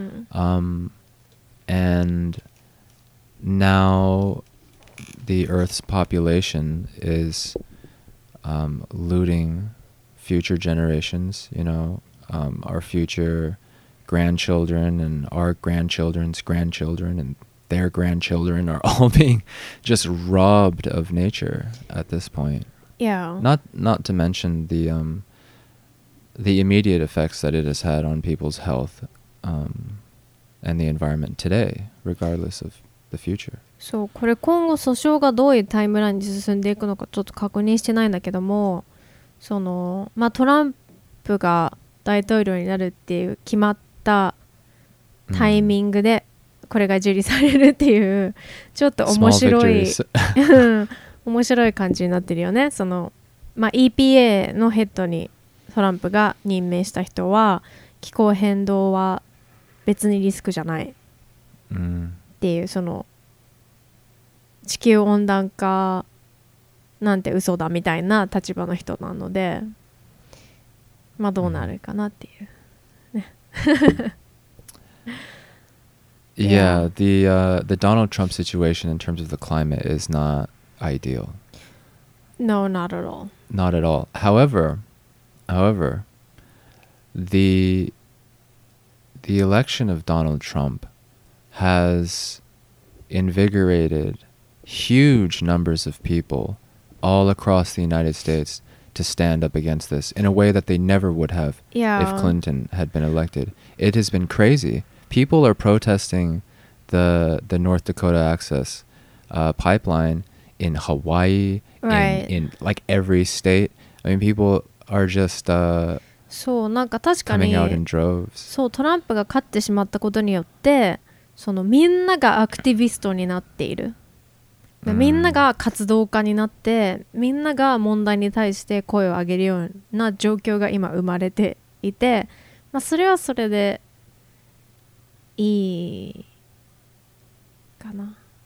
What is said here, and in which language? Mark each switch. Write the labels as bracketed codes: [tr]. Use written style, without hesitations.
[en] And now the Earth's population is looting future generations, you know, our future grandchildren and our grandchildren's grandchildren and their grandchildren are all being just robbed of nature at this point. Yeah. Not to mention the immediate effects that it has had on people's health and the environment today, regardless of the future. [ja] そう、これ今後訴訟がどういうタイムラインに進んでいくのかちょっと確認してないんだけども、そのまあトランプが大統領になるっていう決まったタイミングでこれが受理されるっていう、ちょっと面白い面白い感じになってるよね。そのまあ EPA のヘッドにトランプが任命した人は、気候変動は別にリスクじゃないっていう、その地球温暖化なんて嘘だみたいな立場の人なので、まあどうなるかなっていうね。 [en] Yeah, the Donald Trump situation in terms of the climate is not ideal. No, not at all. Not at all. However, the election of Donald Trump has invigorated huge numbers of people all across the United States to stand up against this in a way that they never would have if Clinton had been elected. It has been crazy. People are protesting the North Dakota Access pipeline in Hawaii, in like every state. I mean, people are just coming out in droves. [ja] そう、トランプが勝ってしまったことによって、そのみんながアクティビストになっている。みんなが活動家になって、みんなが問題に対して声を上げるような状況が今生まれていて、まあ、それはそれでいいかな。